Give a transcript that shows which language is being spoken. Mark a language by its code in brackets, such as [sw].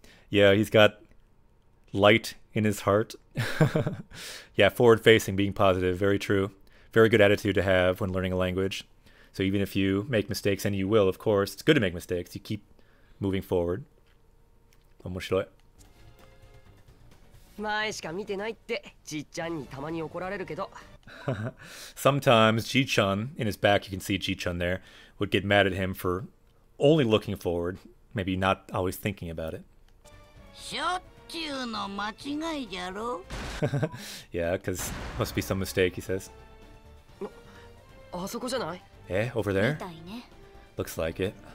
[en] Yeah, he's got light in his heart. Yeah, forward facing, being positive, very true. Very good attitude to have when learning a language. So even if you make mistakes, and you will, of course, it's good to make mistakes, you keep moving forward. [ja] 面白い. 前しか見てないってじいちゃんにたまに怒られるけど [en] Sometimes Ji-chan, in his back, you can see Ji-chan there, would get mad at him for only looking forward, maybe not always thinking about it. [ja] しょっちゅうの間違いじゃろ? [en] Yeah, because must be some mistake, he says. [ja] あそこじゃない? [en] Eh, over there? [ja] みたいね. [en] Looks like it.